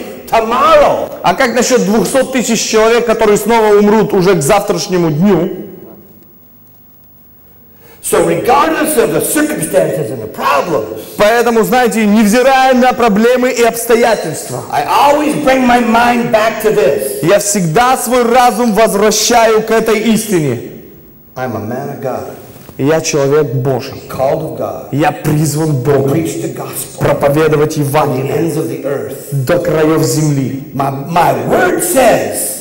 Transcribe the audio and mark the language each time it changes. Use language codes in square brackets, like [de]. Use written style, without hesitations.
[ru] А как насчет 200 тысяч человек, которые снова умрут уже к завтрашнему дню? [en] So regardless of the circumstances and the problems, [ru] поэтому, знаете, невзирая на проблемы и обстоятельства, [en] I always bring my mind back to this. [ru] Я всегда свой разум возвращаю к этой истине. [en] I'm a man of God. [ru] Я человек Божий. [en] I'm called of God. [ru] Я призван Богом. [en] Preach the gospel. [ru] Проповедовать Евангелие. [en] From the ends of the earth. [ru] До краев земли. [en] My word says.